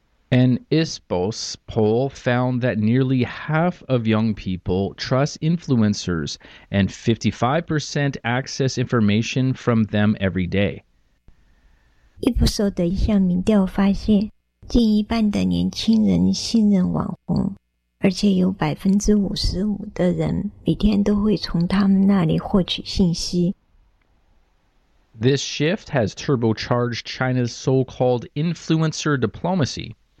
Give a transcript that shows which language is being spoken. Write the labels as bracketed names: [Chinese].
[English] An Ipsos poll found that nearly half of young people trust influencers and 55% access information from them every day. [Chinese] Ipsos 的一项民调发现，近一半的年轻人信任网红，而且有 55% 的人每天都会从他们那里获取信息。 [English] This shift has turbocharged China's so-called influencer diplomacy.